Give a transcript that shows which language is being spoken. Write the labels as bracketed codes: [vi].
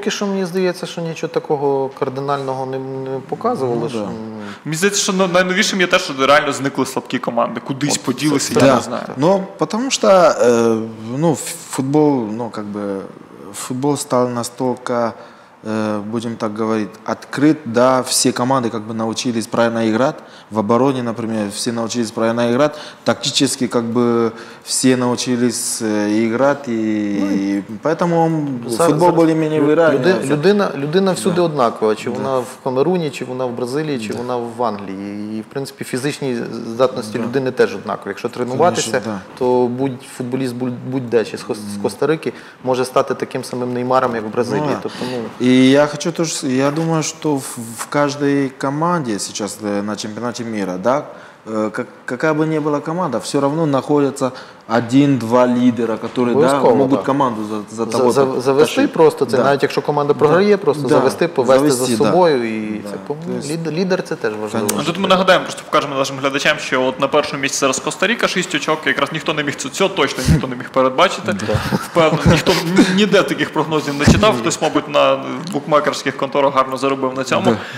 [uk] Поки що мені здається, що нічого такого кардинального не показували. Мені здається, що найновішим є те, що реально зникли слабкі команди, кудись поділися, я не знаю. Ну, тому що, футбол, футбол став настільки... [ru] будем так говорить, открыт, да, все команды как бы научились правильно играть, в обороне, например, все научились правильно играть, тактически как бы все научились играть, и поэтому футбол более-менее выравнен. [uk] Людина всюди однакова, чи вона в Камеруні, чи вона в Бразилії, чи вона в Англії, [ru] и в принципе [uk] фізичні здатності людини теж однакові. Якщо тренуватися, то футболіст будь-де, чи з Коста-Рики, може стати таким самим Неймаром, як в Бразилії. [ru] И я хочу тоже, я думаю, что в каждой команде сейчас на чемпионате мира, да, какая бы ни была команда, все равно находятся один-два лидера, которые могут команду за того. [uk] Завести просто, навіть якщо команда програє, просто завести, повести за собою. Лідер – це теж важливо. Тут ми нагадаємо, просто покажемо нашим глядачам, що на першому місці зараз Коста-Ріка, 6 очок, якраз ніхто не міг цього, точно ніхто не міг передбачити. Ніхто ніде таких прогнозів не читав, хтось, мабуть, на букмекерських конторах гарно заробив на цьому.